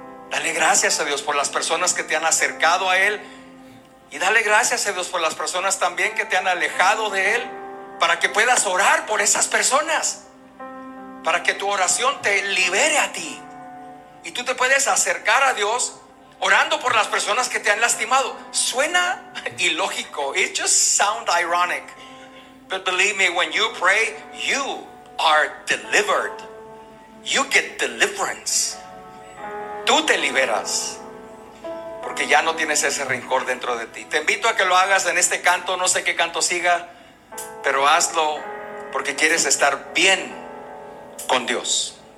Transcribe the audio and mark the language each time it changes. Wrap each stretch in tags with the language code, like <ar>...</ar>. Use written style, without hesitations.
<es>Dale gracias a Dios por las personas que te han acercado a Él, y dale gracias a Dios por las personas también que te han alejado de Él, para que puedas orar por esas personas, para que tu oración te libere a ti, y tú te puedes acercar a Dios orando por las personas que te han lastimado. Suena ilógico,</es> <en>it just sounds ironic, but believe me, when you pray, you are delivered. You get deliverance.</en> <es>Tú te liberas, porque ya no tienes ese rencor dentro de ti. Te invito a que lo hagas en este canto, no sé qué canto siga, pero hazlo porque quieres estar bien con Dios.</es>